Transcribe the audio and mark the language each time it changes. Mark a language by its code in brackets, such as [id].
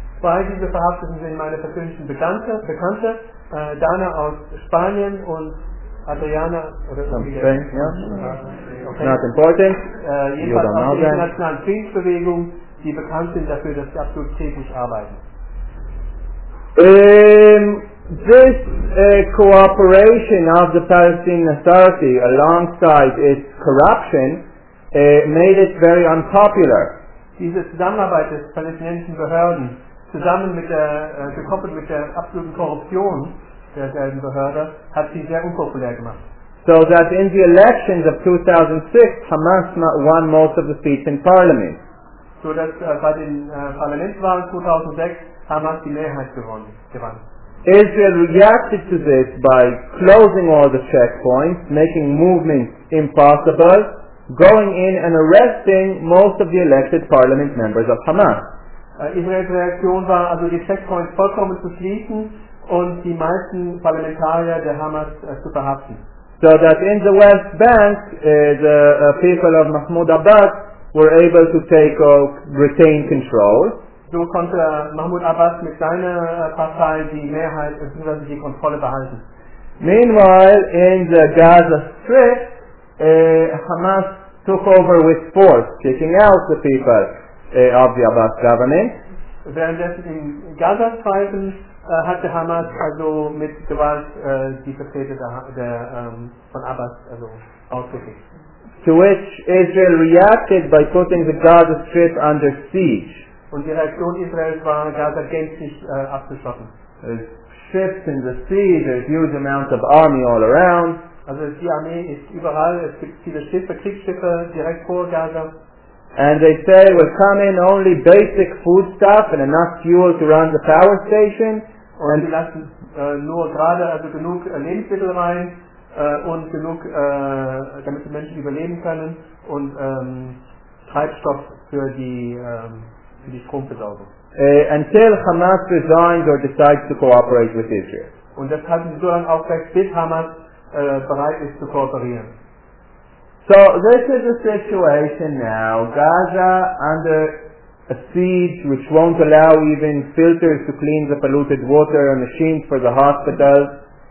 [de] Zwei dieser Verhafteten sind meine persönlichen Bekannte, Dana aus Spanien und Adriana [en] from Spain, yeah. Okay. Not important. [de] Jedenfalls aus der internationalen Friedensbewegung, die bekannt sind dafür, dass sie absolut täglich arbeiten. [en] This cooperation of the Palestinian Authority alongside its corruption made it very unpopular. [de] Diese Zusammenarbeit des palästinensischen Behörden zusammen mit der gekoppelt mit der absoluten Korruption der Behörde hat sie sehr unpopulär gemacht. [en] So that in the elections of 2006 Hamas won most of the seats in parliament. [de] So dass bei den Parlamentswahlen 2006 Hamas die Mehrheit gewann. [en] Israel reacted to this by closing all the checkpoints, making movement impossible, going in and arresting most of the elected parliament members of Hamas. [de] Israels Reaktion war also die Checkpoints vollkommen zu schließen und die meisten Parlamentarier der Hamas zu verhaften. [en] So that in the West Bank, the people of Mahmoud Abbas were able to take or retain control. [de] So konnte Mahmoud Abbas mit seiner Partei die Mehrheit bzw. die Kontrolle behalten. [en] Meanwhile, in the Gaza Strip, Hamas took over with force, kicking out the people of the Abbas government. [de] Währenddessen im Gaza-Streifen hatte Hamas also mit Gewalt die Vertreter von Abbas also ausgewählt. [en] to which Israel reacted by putting the Gaza Strip under siege. [de] Und die Reaktion Israels war, Gaza gänzlich abzuschotten. [en] There's ships in the sea, there's huge amounts of army all around. [de] Also die Armee ist überall, es gibt viele Schiffe, Kriegsschiffe direkt vor Gaza. [en] And they say, we're coming only basic foodstuff and enough fuel to run the power station. [de] Und sie lassen nur gerade also genug Lebensmittel rein und genug, damit die Menschen überleben können und Treibstoff für die Stromversorgung. [en] Until Hamas resigns or decides to cooperate with Israel. [de] Und das halten sie so lange aufrecht, bis Hamas bereit ist zu kooperieren. [en] So this is the situation now. Gaza under a siege which won't allow even filters to clean the polluted water or machines for the hospitals.